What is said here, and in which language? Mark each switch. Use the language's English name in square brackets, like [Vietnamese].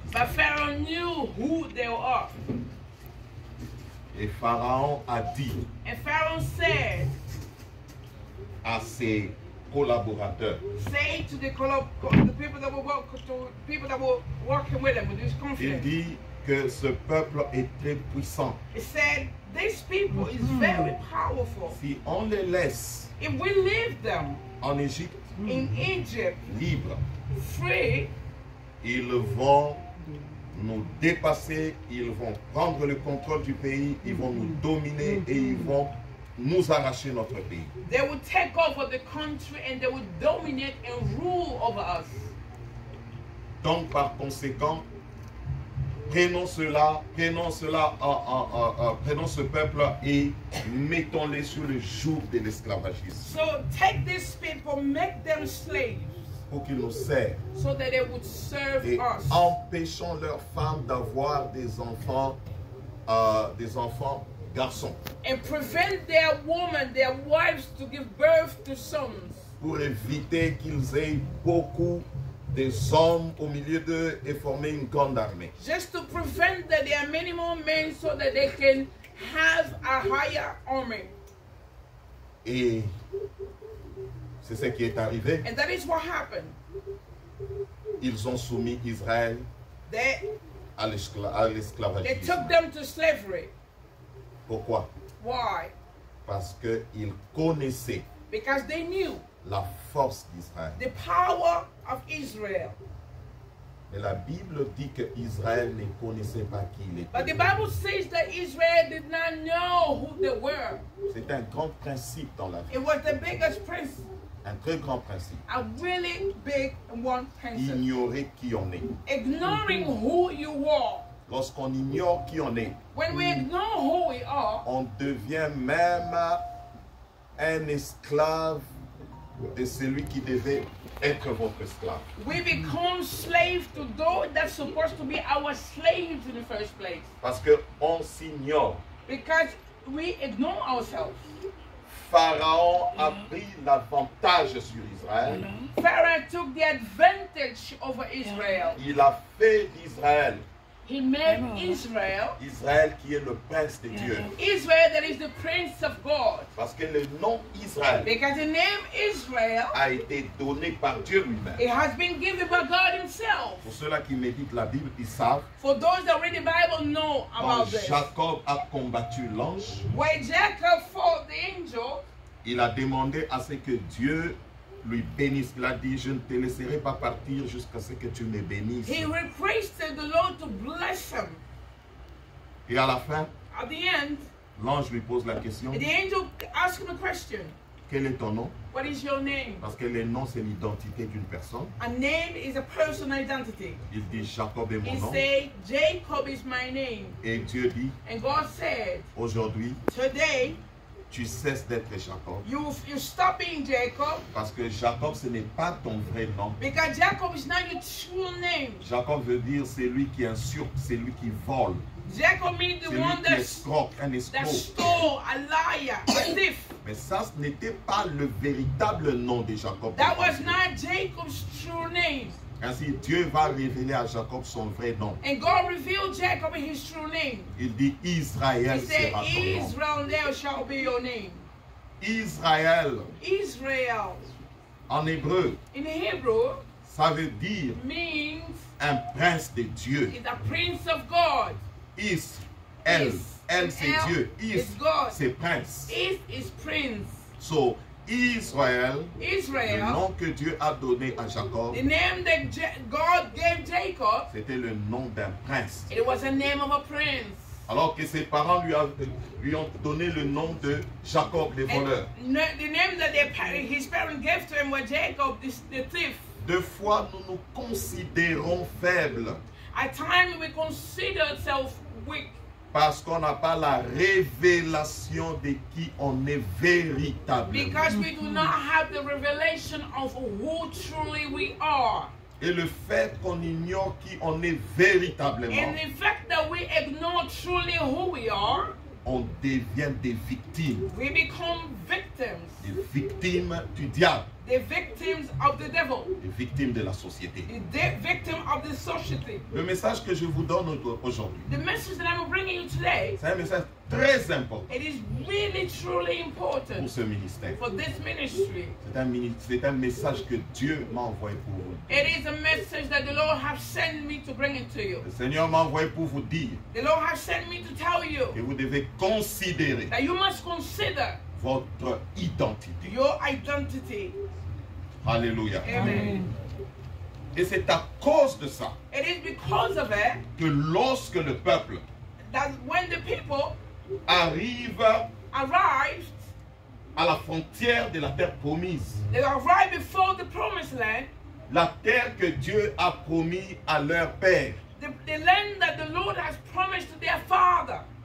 [English] But Pharaoh knew who they were. [French] Et Pharaon a dit, [English] and Pharaoh said, [French] à ses collaborateurs, [English] say to the people that were work, to people that were working with him, with his confidence. [French] Il dit que ce peuple est très puissant. [English] He said, this people is very powerful. [French] Si on les laisse, [English] if we leave them, [French] en Égypte, [English] in Egypt, [French] libre, [English] free, [French] ils vont nous dépasser, ils vont prendre le contrôle du pays, ils vont nous dominer et ils vont nous arracher notre pays. [English] They will take over the country and they will dominate and rule over us. [French] Donc par conséquent, prenons ce peuple et mettons-les sur le joug de l'esclavagisme. [English] So take these people, make them slaves. [French] Pour qu'ils nous servent. [English] So that they would serve [French] et [English] us. [French] Empêchons leurs femmes d'avoir des enfants garçons. [English] And prevent their women, their wives, to give birth to sons. [French] Pour éviter qu'ils aient beaucoup des hommes au milieu d'eux et former une grande armée. [English] Just to prevent that there are many more men so that they can have a higher army. [French] Et c'est ce qui est arrivé. [English] And that is what happened. [French] Ils ont soumis Israël à l'esclavagisme. [English] They took them to slavery. [French] Pourquoi? [English] Why? [French] Parce qu'ils connaissaient, [English] because they knew, [French] la force d'Israël. [English] The power of Israel. [French] Mais la Bible dit que Israël ne connaissait pas qui il était. [English] But the Bible says that Israel did not know who they were. [French] C'est un grand principe dans la vie. [English] It was the biggest principle. [French] Un très grand principe. [English] A really big one principle. [French] Ignorer qui on est. [English] Ignoring who you are. [French] Lorsqu'on ignore qui on est, [English] when we ignore who we are, [French] on devient même un esclave de celui qui devait être votre esclave. [English] We become slaves to those that's supposed to be our slaves in the first place. [French] Parce qu'on s'ignore. [English] Because we ignore ourselves. [French] Pharaon a pris l'avantage sur Israël. [English] Pharaoh took the advantage over Israel. [French] Il a fait d'Israël. [English] He made Israel. [French] Israël qui est le prince de Dieu. [English] Israel that is the prince of God. [French] Parce que le nom Israël, [English] because the name Israel, [French] a été donné par Dieu lui-même. [English] It has been given by God himself. [French] Pour ceux-là qui méditent la Bible, ils savent. [English] For those that read the Bible know about this. [French] Jacob a combattu l'ange. [English] When Jacob fought the angel, [French] il a demandé à ce que Dieu lui bénisse. Il a dit, je ne te laisserai pas partir jusqu'à ce que tu me bénisses. [English] He requested the Lord to bless him. [French] Et à la fin, [English] at the end, [French] l'ange lui pose la question. [English] The angel asked him a question. [French] Quel est ton nom? [English] What is your name? [French] Parce que le nom, c'est l'identité d'une personne. [English] A name is a personal identity. [French] Il dit, Jacob est mon nom. [English] He said, Jacob is my name. [French] Et Dieu dit, [English] and God said, [French] aujourd'hui, [English] today, [French] tu cesses d'être Jacob. [English] You stop being Jacob. [French] Parce que Jacob, ce n'est pas ton vrai nom. [English] Because Jacob is not your true name. [French] Jacob veut dire celui qui insurpe, celui qui vole. [English] Jacob means the [French] celui [English] one [French] qui escroque, un escroc. [English] That stole, a liar, a thief. [French] Mais ça, ce n'était pas le véritable nom de Jacob. [English] That was not Jacob's true name. [French] Ainsi, Dieu va révéler à Jacob son vrai nom. [English] And God revealed Jacob his true name. [French] Il dit, Israël sera ton nom. [English] He said, Israel there shall be your name. [French] Israël. [English] Israel. [French] En hébreu. [English] In Hebrew. [French] Ça veut dire. [English] Means. [French] Un prince de Dieu. [English] Is a prince of God. [French] Israël. Israël, c'est [Hebrew] El [French] Dieu. [English] Is God. [French] C'est prince. [English] Is prince. So, Israël, Israel, [French] le nom que Dieu a donné à Jacob, [English] the name that God gave Jacob, [French] c'était le nom d'un prince. [English] It was a name of a prince. [French] Alors que ses parents lui ont donné le nom de Jacob, le voleur. [English] The name that his parents gave to him was Jacob, the thief. [French] Deux fois, nous nous considérons faibles. [English] At times, we consider ourselves weak. [French] Parce qu'on n'a pas la révélation de qui on est véritablement. [English] Because we do not have the revelation of who truly we are. [French] Et le fait qu'on ignore qui on est véritablement. [English] And the fact that we ignore truly who we are. [French] On devient des victimes. [English] We become victims. [French] Des victimes du diable. [English] The victims of the devil. [French] Des victimes de la société. [English] The victim of the society. [French] Le message que je vous donne aujourd'hui. [English] The message that I'm bringing you today. [French] C'est un message très important. [English] It is really truly important. [French] Pour ce ministère. [English] For this ministry. [French] C'est un message que Dieu m'a envoyé pour vous. [English] It is a message that the Lord has sent me to bring it to you. [French] Le Seigneur m'a envoyé pour vous dire. [English] The Lord has sent me to tell you. [French] Que vous devez considérer. [English] That you must consider. [French] Votre identité. [English] Your identity. [French] Alléluia. [English] Amen. [French] Et c'est à cause de ça. [English] It is because of it. [French] Que lorsque le peuple. [English] That when the people. [French] Arrive. [English] Arrived. [French] À la frontière de la terre promise. [English] They arrive before the promised land. [French] La terre que Dieu a promis à leur père. [English] The land that the Lord has promised to their father.